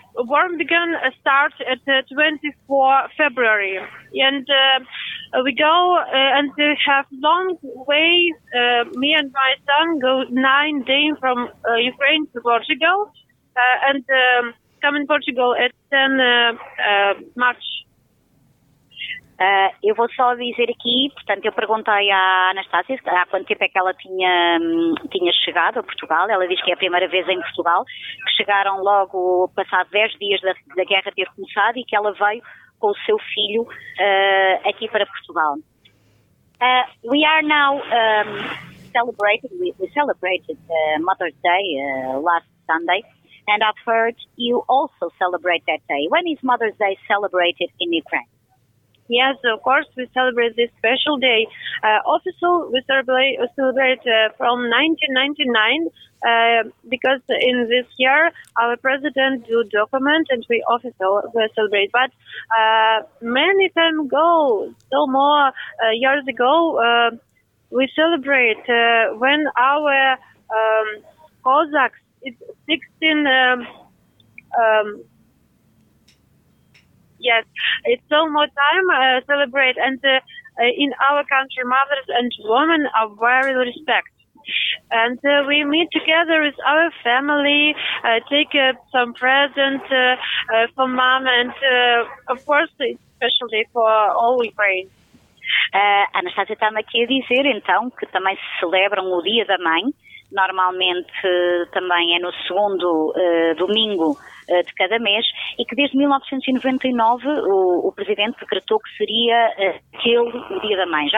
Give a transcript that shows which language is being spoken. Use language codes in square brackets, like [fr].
[en] War began start at 24 February, and we go and we have long way, me and my son go 9 days from Ukraine to Portugal, and come in Portugal at 10 March. [pt] Eu vou só dizer aqui, portanto, eu perguntei à Anastácia há quanto tempo é que ela tinha chegado a Portugal. Ela diz que é a primeira vez em Portugal, que chegaram logo passado 10 dias da guerra ter começado e que ela veio com o seu filho aqui para Portugal. [en] We are now celebrated Mother's Day last Sunday, and I've heard you also celebrate that day. When is Mother's Day celebrated in Ukraine? Yes, of course, we celebrate this special day. Official, we celebrate from 1999, because in this year our president do document and we official celebrate. But many time ago, so more years ago, we celebrate when our Cossacks, it's 16... Yes, it's so much time to celebrate, and in our country, mothers and women are very respected. And we meet together with our family, take some present for mom, and of course, it's special day for all Ukraine. [pt] Anastasia está-me aqui a dizer, então, que também se celebram o Dia da Mãe. Normalmente também é no segundo domingo de cada mês, e que desde 1999 o Presidente decretou que seria aquele o Dia da Mãe.